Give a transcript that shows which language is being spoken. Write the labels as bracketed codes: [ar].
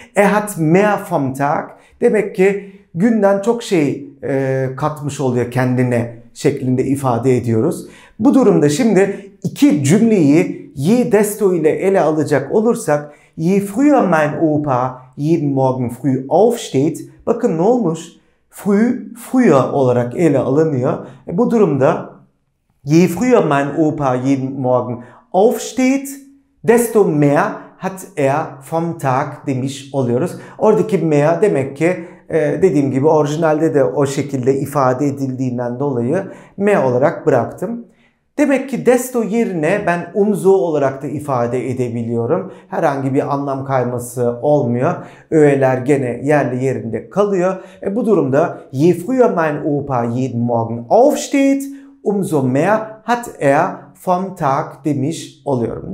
[de] Er hat mehr vom Tag. [tr] Demek ki günden çok şey katmış oluyor kendine şeklinde ifade ediyoruz. Bu durumda şimdi iki cümleyi je desto ile ele alacak olursak [de] je früher mein Opa jeden Morgen früh aufsteht. [tr] Bakın ne olmuş? Früh, früher olarak ele alınıyor. Bu durumda [de] je früher mein Opa jeden Morgen aufsteht, desto mehr hat er vom Tag [tr] demiş oluyoruz. Oradaki mehr demek ki dediğim gibi orijinalde de o şekilde ifade edildiğinden dolayı me olarak bıraktım. Demek ki desto yerine ben umzo olarak da ifade edebiliyorum. Herhangi bir anlam kayması olmuyor. Öğeler gene yerli yerinde kalıyor. Bu durumda [de] je früher mein Opa jeden Morgen aufsteht, umso mehr hat er vom Tag [tr] demiş oluyorum.